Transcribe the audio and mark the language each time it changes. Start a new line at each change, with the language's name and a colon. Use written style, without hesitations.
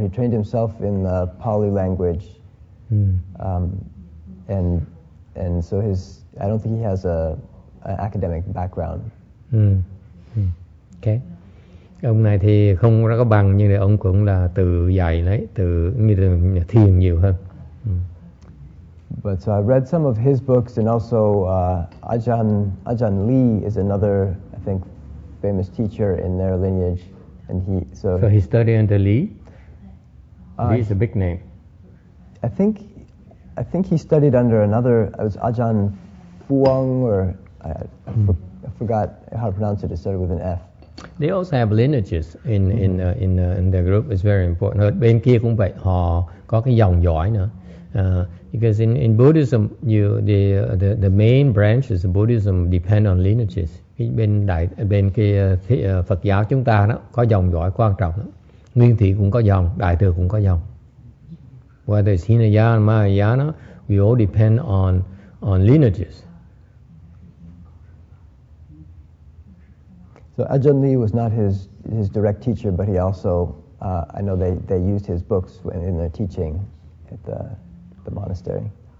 English: He trained himself in the Pali language, and so his. I don't think he has an academic background. Okay.
Vietnamese: Ông này thì không có bằng nhưng mà ông cũng là tự dạy đấy, tự như là thiền nhiều hơn.
English: But so I read some of his books, and also Ajahn Lee is another, I think, famous teacher in their lineage, and so he studied under Lee. Lee is a big name. I think he studied under another. It was Ajahn Phuong, or I forgot how to pronounce it. It started with an F. They also have lineages in their group. It's very important.
Vietnamese: Ở bên kia cũng vậy. Họ có cái dòng dõi nữa.
English: Because in Buddhism, the main branches of Buddhism depend on lineages.
Vietnamese: Bên kia Phật giáo chúng ta đó có dòng dõi quan trọng. Nguyên thủy cũng có dòng, đại thừa cũng có dòng.
English: Whether it's Hinayana, Mahayana, we all depend on lineages. So Ajahn Lee was not his direct teacher, but he also I know they used his books in their teaching at the monastery.